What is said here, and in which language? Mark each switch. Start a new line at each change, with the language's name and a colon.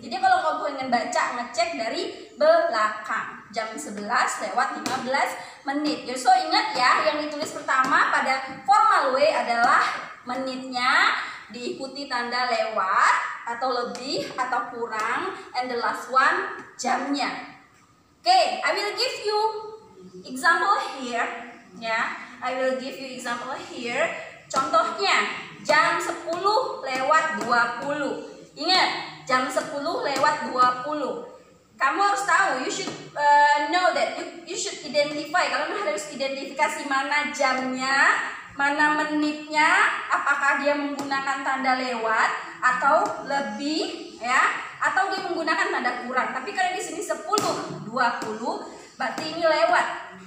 Indonesian: Jadi kalau kamu ingin baca, ngecek dari belakang. Jam 11 lewat 15 menit. Jadi so ingat ya, yang ditulis pertama pada
English: formal way
Indonesian: adalah menitnya diikuti tanda lewat atau lebih atau kurang,
English: and the last one
Indonesian: jamnya.
English: Oke, okay, I will give you example here. Ya, yeah, I will give you example here.
Indonesian: Contohnya jam 10 lewat 20. Ingat, jam 10 lewat 20. Kamu harus tahu,
English: you should know that you should identify.
Indonesian: Kamu harus identifikasi mana jamnya, mana menitnya, apakah dia menggunakan tanda lewat atau lebih, ya, atau dia menggunakan tanda kurang. Tapi karena di sini 10:20, berarti ini lewat.